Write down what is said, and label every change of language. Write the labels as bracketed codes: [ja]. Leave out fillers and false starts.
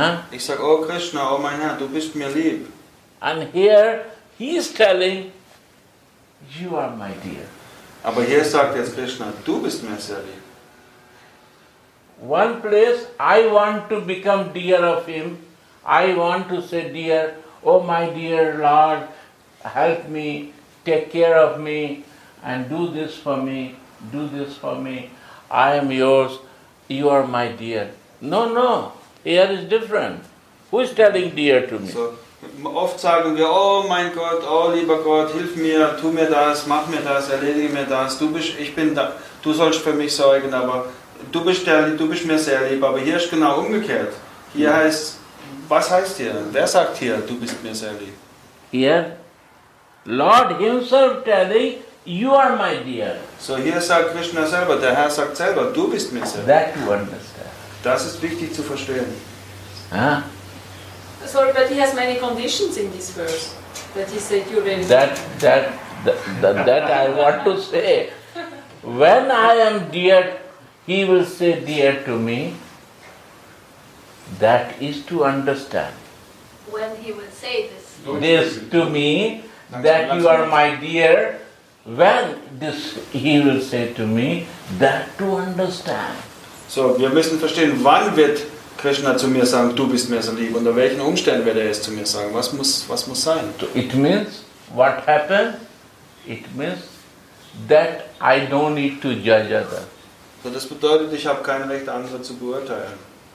[de] Ich sag, oh Krishna, oh mein Herr, du bist mir lieb. [en] And here, he is telling, you are my dear. [de] Aber hier sagt jetzt Krishna, du bist mir sehr lieb. [en] One place, I want to become dear of him. I want to say, dear, oh my dear Lord, help me, take care of me, and do this for me, do this for me. I am yours, you are my dear. No, no, here is different. Who is telling dear to me? [de] So, oft sagen wir, oh mein Gott, oh lieber Gott, hilf mir, tu mir das, mach mir das, erledige mir das, du bist, ich bin da, du sollst für mich sorgen, aber du bist, der, du bist mir sehr lieb, aber hier ist genau umgekehrt. Hier heißt, was heißt hier? Wer sagt hier, du bist mir sehr lieb? [en] Hier, Lord himself telling, you are my dear. [de] So hier sagt Krishna selber, der Herr sagt selber, du bist mir sehr lieb. [en] That you understand. [de] Das ist wichtig zu verstehen. [en] Sorry, but he has many conditions in this verse that he said you really that I want to say when I am dear, he will say dear to me. That is to understand. When he will say this. This to me, that you are my dear, when this he will say to me, that to understand. [de] So, wir müssen verstehen, wann wird Krishna zu mir sagen, du bist mir so lieb, unter welchen Umständen wird es zu mir sagen, was muss sein? [en] It means, what happened? It means, that I don't need to judge others. [de] So, das bedeutet, ich habe kein Recht, andere zu beurteilen.